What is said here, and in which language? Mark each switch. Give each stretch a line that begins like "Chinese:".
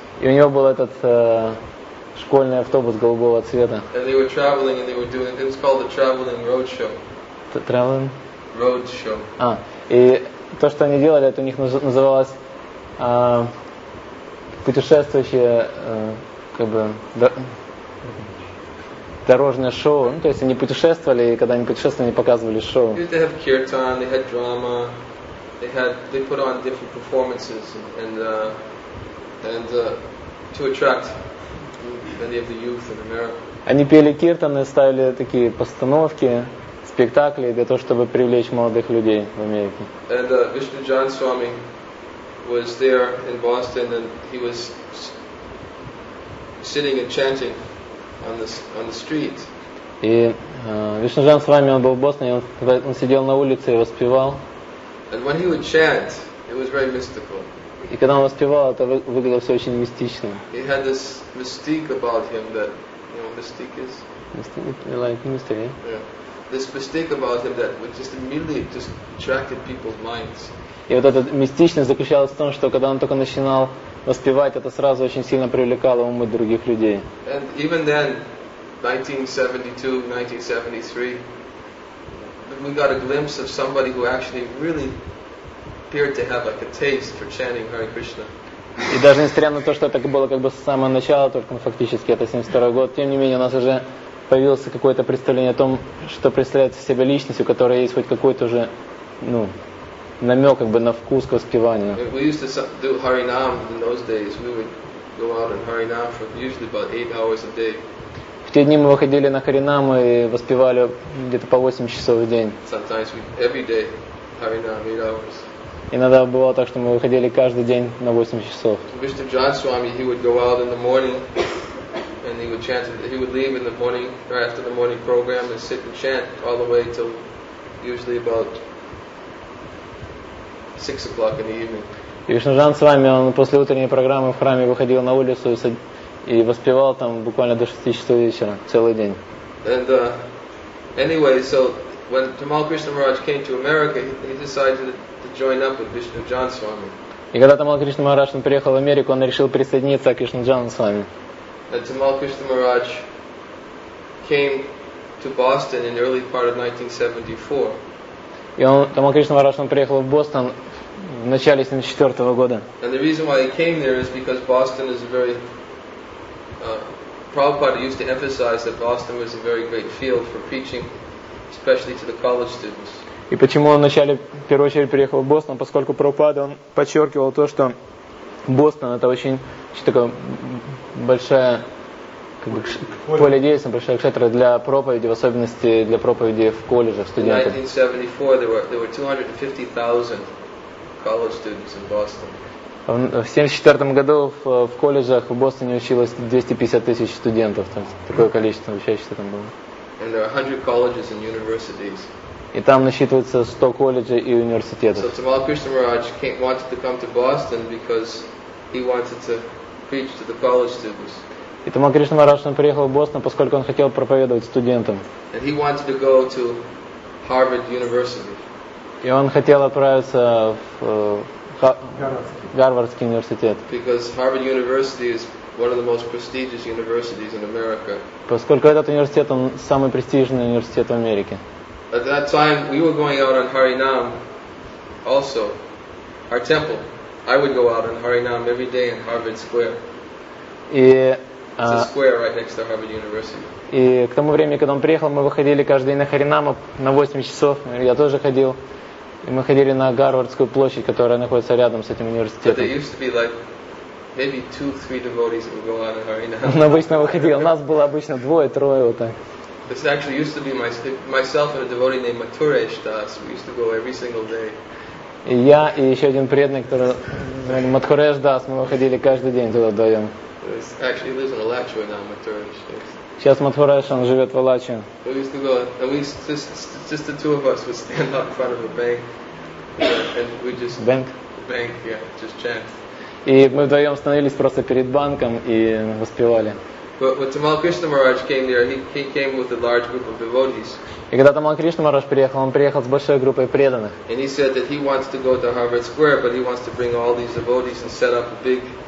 Russian: И у него был этот школьный автобус голубого цвета.
English: And they were traveling and they were doing, it was called the traveling road show. The traveling? Road show.
Russian: А, и то, что они делали, это у них называлось путешествующее, как бы, дорожное шоу. Ну, то есть они путешествовали, и когда они путешествовали, они показывали шоу.
English: They had kirtan, they had drama, they put on different performances and to attract many of the youth in America.
Russian: Они пели киртаны, ставили такие постановки, спектакли для того, чтобы привлечь молодых людей в Америку.
English: And Vishnu John Swami was there in Boston, and he was sitting and chanting on the street.
Russian: И Vishnu John Swami он был в Бостоне, он сидел на улице и воспевал.
English: And when he would chant, it was very mystical.
Russian: И когда он воспевал, это выглядело все очень мистично.
English: He had this mystique about him that, you know, mystique is. Mystique, like mystery. Yeah. This mystique about him that would just immediately just attracted people's minds.
Russian: И вот эта мистичность заключалась в том, что когда он только начинал воспевать, это сразу очень сильно привлекало умы других людей.
English: And even then, 1972, 1973, we got a glimpse of somebody who actually really appeared to have like a taste for chanting Hare Krishna.
Russian: И даже несмотря на то, что это было как бы с самого начала, только фактически это 72 год, тем не менее у нас уже появилось какое-то представление о том, что представляет себя личность, у которой есть хоть какой-то уже, ну, намек как бы на вкус к воспеванию.
English: We used to do Harinam in those days. We would go out on Harinam for usually about 8 hours a day.
Russian: В те дни мы выходили на Харинам и воспевали где-то по 8 часов в день.
English: Sometimes we every day Harinam 8 hours.
Russian: Иногда бывало так, что мы выходили каждый день на 8 часов.
English: Mr. John Swami, he would go out in the morning and he would chant. He would leave in the morning or after the morning program and sit and chant all the way till usually about 6 o'clock in the evening.
Russian: Вишнуджан с вами, он после утренней программы в храме выходил на улицу и воспевал там буквально до 6 часов вечера, целый день.
English: And anyway, so when Tamal Krishna Maharaj came to America, he decided to join up with Vishnujan Swami.
Russian: И когда Тамал Кришна Махарадж приехал в Америку, он решил присоединиться к Вишнуджану с вами.
English: And Tamal Krishna Maharaj came to Boston in the early part of 1974.
Russian: И он, Тамал Кришна Махарадж, он приехал в Бостон в начале 1974 года.
English: And the reason why he came there is because Boston is a very Prabhupada used to emphasize that Boston was a very great field for preaching, especially to the college students.
Russian: И почему он вначале, в первую очередь, приехал в Бостон? Поскольку Прабхупада, он подчеркивал то, что Бостон это очень такое большое как бы, поле действия, большая кшетра для проповеди, в особенности для проповеди в колледжах студентов.
English: In 1974 there were 250,000 college students in Boston.
Russian: В 1974 году в колледжах в Бостоне училось 250 тысяч студентов. То есть такое количество учащихся там было.
English: And there are 100 colleges and universities.
Russian: И там насчитывается 100 колледжей и университетов.
English: So Tamal Krishna Maharaj wanted to come to Boston because he wanted to preach to the college students.
Russian: И Тамал Кришна Махарадж приехал в Бостон, поскольку он хотел проповедовать студентам.
English: And he wanted to go to Harvard University.
Russian: И он хотел отправиться в Гарвардский университет.
English: Because Harvard University is one of the most prestigious universities in America.
Russian: Поскольку этот университет он самый престижный университет в Америке.
English: At that time we were going out on Harinam also. Our temple. I would go out on Harinam every day in Harvard Square. It's a square right next to Harvard University.
Russian: И к тому времени, когда он приехал, мы выходили каждый день на Харинам на 8 часов. Я тоже ходил. И мы ходили на Гарвардскую площадь, которая находится рядом с этим университетом.
English: But there used to be like maybe 2-3 devotees that would go out on Harinam.
Russian: Но обычно выходило. Нас было обычно двое-трое вот так.
English: This actually used to be myself and a devotee named Mathuresh Das. We used to go every single day.
Russian: И я и еще один преданный, который Mathuresh Das, мы выходили каждый день туда вдвоем.
English: Actually lives in Alachua now, Mathuresh.
Russian: Сейчас Мадхураш, он живет в Алаче.
English: Just the two of us would stand out in front of a bank. And we just... Bank? Bank, yeah, just chant.
Russian: И мы вдвоем становились просто перед банком и воспевали.
English: But Tamal Krishna Maharaj came there, he came with a large group of devotees.
Russian: И когда Тамал Кришна Махарадж приехал, он приехал с большой группой преданных.
English: And he said that he wants to go to Harvard Square, but he wants to bring all these devotees and set up a big...